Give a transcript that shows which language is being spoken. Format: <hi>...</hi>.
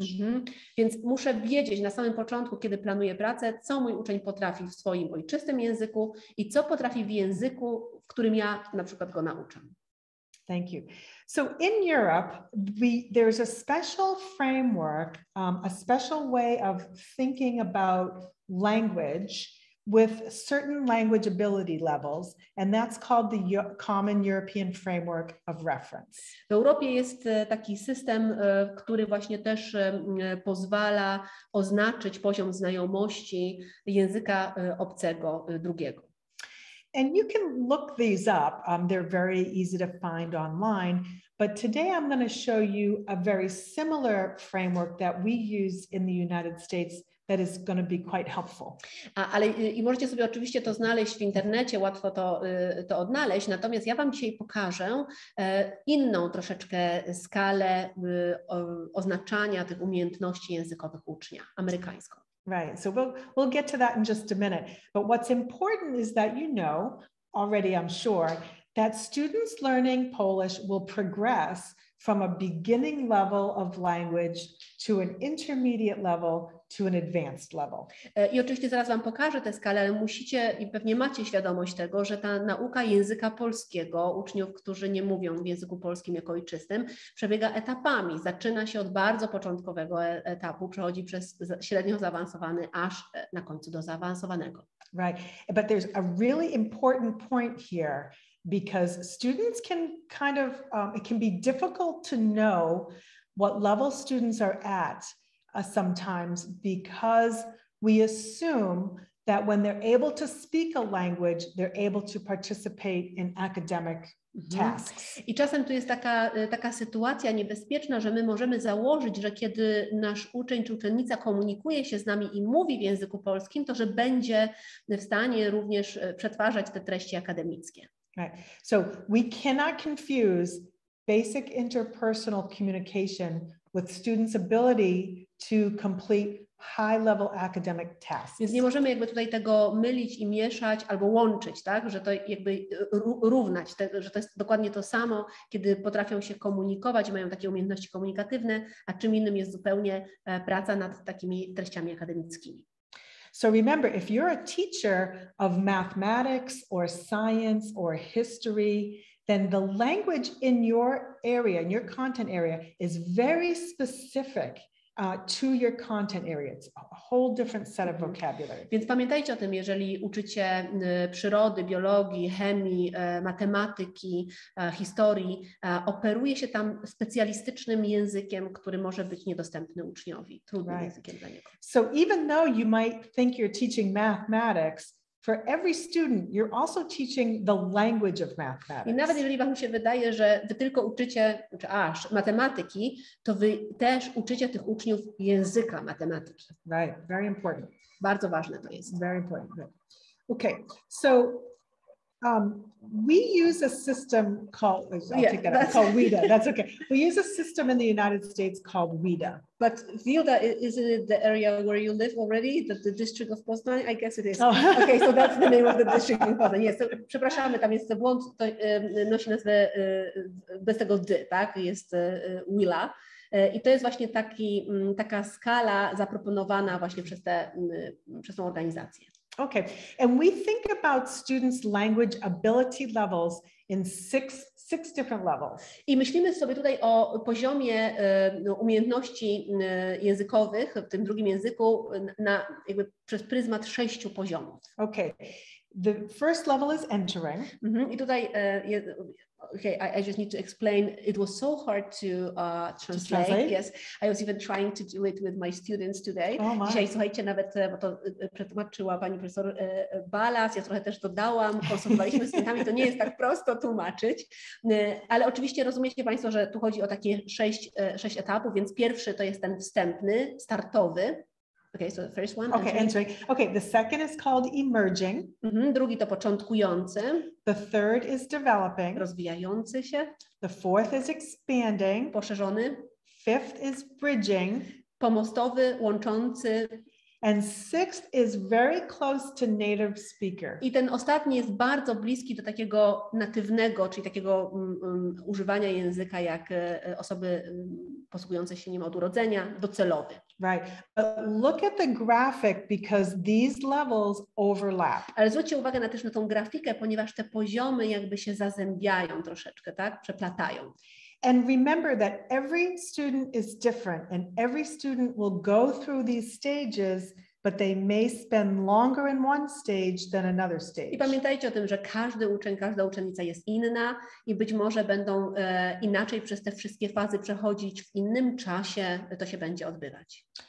<pl>Mm-hmm. Więc muszę wiedzieć na samym początku, kiedy planuję pracę, co mój uczeń potrafi w swoim ojczystym języku i co potrafi w języku, w którym ja na przykład go nauczę.</pl> <en>Thank you. So in Europe, there's a special framework, a special way of thinking about language with certain language ability levels, and that's called the Common European Framework of Reference.</en> <pl>W Europie jest taki system, który właśnie też pozwala oznaczyć poziom znajomości języka obcego drugiego.</pl> <en>And you can look these up, they're very easy to find online, but today I'm going to show you a very similar framework that we use in the United States that is going to be quite helpful.</en> <pl>Ale i możecie sobie oczywiście to znaleźć w internecie, łatwo to odnaleźć, natomiast ja wam dzisiaj pokażę inną troszeczkę skalę oznaczania tych umiejętności językowych ucznia, amerykańską.</pl> <en>Right, so we'll get to that in just a minute. But what's important is that you know, already I'm sure, that students learning Polish will progress from a beginning level of language to an intermediate level to an advanced level.</en> <pl>I oczywiście zaraz wam pokażę tę skalę, ale musicie i pewnie macie świadomość tego, że ta nauka języka polskiego, uczniów, którzy nie mówią w języku polskim jako ojczystym, przebiega etapami. Zaczyna się od bardzo początkowego etapu, przechodzi przez średnio zaawansowany, aż na końcu do zaawansowanego.</pl> <en>Right, but there's a really important point here, because students can kind of, it can be difficult to know what level students are at sometimes, because we assume that when they're able to speak a language, they're able to participate in academic tasks.</en> <pl>I czasem tu jest taka sytuacja niebezpieczna, że my możemy założyć, że kiedy nasz uczeń czy uczennica komunikuje się z nami i mówi w języku polskim, to że będzie w stanie również przetwarzać te treści akademickie.</pl> <en>Right. So we cannot confuse basic interpersonal communication with students' ability to complete high-level academic tasks.</en> <pl>Więc nie możemy jakby tutaj tego mylić i mieszać albo łączyć, tak? Że to jakby równać, że to jest dokładnie to samo, kiedy potrafią się komunikować, mają takie umiejętności komunikatywne, a czym innym jest zupełnie praca nad takimi treściami akademickimi.</pl> <en>So remember, if you're a teacher of mathematics or science or history, then the language in your area, in your content area, is very specific to your content area. It's a whole different set of vocabulary.</en> <pl>Więc pamiętajcie o tym, jeżeli uczycie przyrody, biologii, chemii, matematyki, historii, operuje się tam specjalistycznym językiem, który może być niedostępny uczniowi, trudnym językiem dla niego.</pl> <en>So even though you might think you're teaching mathematics, for every student, you're also teaching the language of mathematics.</en> <pl>I nawet jeżeli wam się wydaje, że wy tylko uczycie, czy aż, matematyki, to wy też uczycie tych uczniów języka matematyki.</pl> <en>Right, very important.</en> <pl>Bardzo ważne to jest.</pl> <en>Very important. Okay, so we use a system called, We use a system in the United States called WIDA. But Wilda, isn't it the area where you live already? The district of Poznań? I guess it is. Oh. Okay, so that's the name of the district in Poznań. Yes, so,</en> <pl>przepraszamy, tam jest błąd, to nosi nazwę bez tego D, tak? Jest WILA. I to jest właśnie taka skala zaproponowana właśnie przez tą organizację.</pl> <en>Okay, and we think about students' language ability levels in six different levels.</en> <pl>I myślimy sobie tutaj o poziomie umiejętności językowych w tym drugim języku na jakby przez pryzmat sześciu poziomów.</pl> <en>Okay, the first level is entering. Mm-hmm.</en> <pl>I tutaj</pl> <en>okay, I just need to explain. It was so hard to translate. Yes, I was even trying to do it with my students today. Oh my.</en> <pl>Dzisiaj, słuchajcie, nawet bo to przetłumaczyła pani profesor Balas, ja trochę też dodałam, konsultowaliśmy z studentami, to nie jest tak prosto tłumaczyć. Ale oczywiście rozumiecie państwo, że tu chodzi o takie sześć etapów, więc pierwszy to jest ten wstępny, startowy.</pl> <en>Okay, so the first one. Okay, entering. Okay, the second is called emerging.</en> <pl>Mm-hmm, drugi to początkujący.</pl> <en>The third is developing.</en> <pl>Rozwijający się.</pl> <en>The fourth is expanding.</en> <pl>Poszerzony.</pl> <en>Fifth is bridging.</en> <pl>Pomostowy, łączący.</pl> <en>And sixth is very close to native speaker.</en> <pl>I ten ostatni jest bardzo bliski do takiego natywnego, czyli takiego używania języka jak osoby posługujące się nim od urodzenia, docelowy.</pl> <en>Right. But look at the graphic, because these levels overlap.</en> <pl>Ale zwróćcie uwagę na też na tą grafikę, ponieważ te poziomy jakby się zazębiają troszeczkę, tak? Przeplatają.</pl> <en>And remember that every student is different, and every student will go through these stages, but they may spend longer in one stage than another stage.</en> <pl>I pamiętajcie o tym, że każdy uczeń, każda uczennica jest inna i być może będą inaczej przez te wszystkie fazy przechodzić, w innym czasie to się będzie odbywać.</pl>